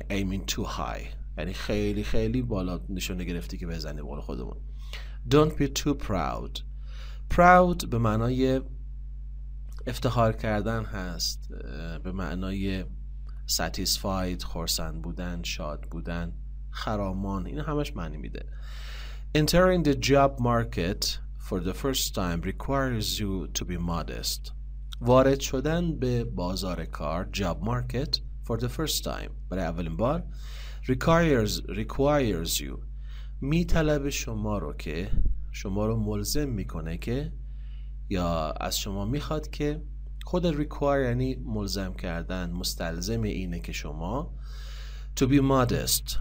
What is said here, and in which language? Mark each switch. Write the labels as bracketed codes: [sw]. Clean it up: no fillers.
[en] aiming too high [fa] یعنی خیلی خیلی بالا نشانه گرفتی که بزنی. به قول خودمون [en] don't be too proud. [fa] proud به معنای افتخار کردن هست، به معنای satisfied، خرسند بودن، شاد بودن، خرامان. این همش معنی میده. [en] entering the job market for the first time requires you to be modest. [fa] وارد شدن به بازار کار، job market، [en] for the first time، [fa] برای اولین بار، [en] requires you، [fa] می طلب شما رو، که شما رو ملزم میکنه که، یا از شما میخواد که، خود require یعنی ملزم کردن، مستلزم اینه که شما [en] to be modest.